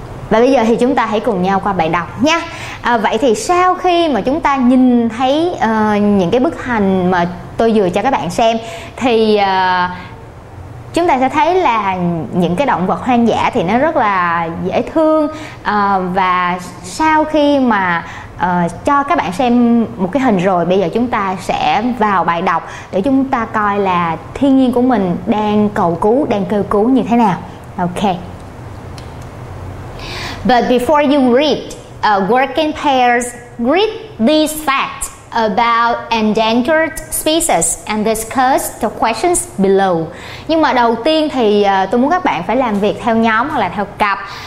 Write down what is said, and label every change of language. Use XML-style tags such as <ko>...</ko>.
<vi>Và bây giờ thì chúng ta hãy cùng nhau qua bài đọc nha. Vậy thì sau khi mà chúng ta nhìn thấy những cái bức hình mà tôi vừa cho các bạn xem thì chúng ta sẽ thấy là những cái động vật hoang dã thì nó rất là dễ thương. Và sau khi mà cho các bạn xem một cái hình rồi, bây giờ chúng ta sẽ vào bài đọc để chúng ta coi là thiên nhiên của mình đang cầu cứu, đang kêu cứu như thế nào. Ok.</vi> <en>But before you read, work in pairs, read these facts about endangered species and discuss the questions below.</en> <vi>Nhưng mà đầu tiên thì tôi muốn các bạn phải làm việc theo nhóm hoặc là theo cặp.</vi>